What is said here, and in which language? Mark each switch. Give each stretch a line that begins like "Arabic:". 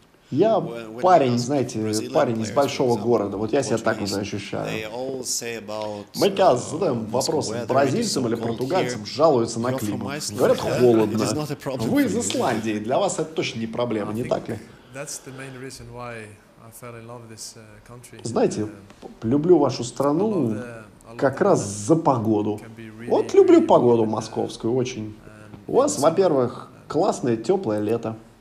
Russian: Я парень, знаете, парень из большого города, вот я себя так уже ощущаю. Мы когда задаем вопрос бразильцам или португальцам, жалуются на климат, говорят, холодно. Вы из Исландии, для вас это точно не проблема, не так ли?
English: That's the main reason why I fell in love with this country.
Russian: Знаете, люблю вашу страну как раз за погоду. Вот люблю погоду московскую очень. У вас, во-первых, классное теплое лето.